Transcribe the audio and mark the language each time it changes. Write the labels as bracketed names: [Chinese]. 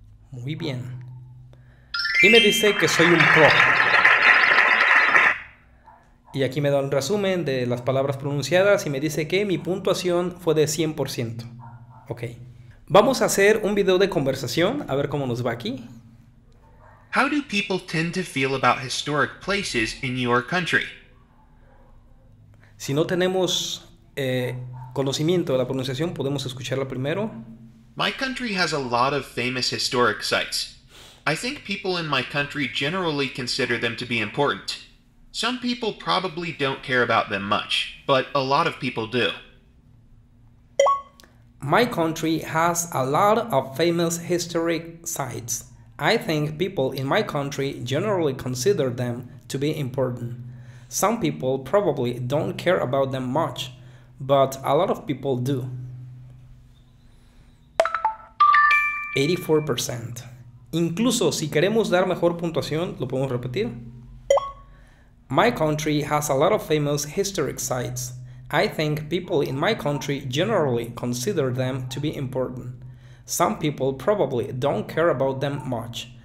[Spanish] Muy bien. Y me dice que soy un pro. Y aquí me da un resumen de las palabras pronunciadas y me dice que mi puntuación fue de 100%. Ok. Vamos a hacer un video de conversación, a ver cómo nos va aquí. [English] How do people tend to feel about historic places in your country? [Spanish] Si no tenemos conocimiento de la pronunciación, podemos escucharla primero. [English] My country has a lot of famous historic sites. I think people in my country generally consider them to be important. Some people probably don't care about them much, but a lot of people do. My country has a lot of famous historic sites. I think people in my country generally consider them to be important. Some people probably don't care about them much, but a lot of people do. 84%. [Spanish] Incluso si queremos dar mejor puntuación, lo podemos repetir. [English] My country has a lot of famous historic sites. I think people in my country generally consider them to be important. Some people probably don't care about them much,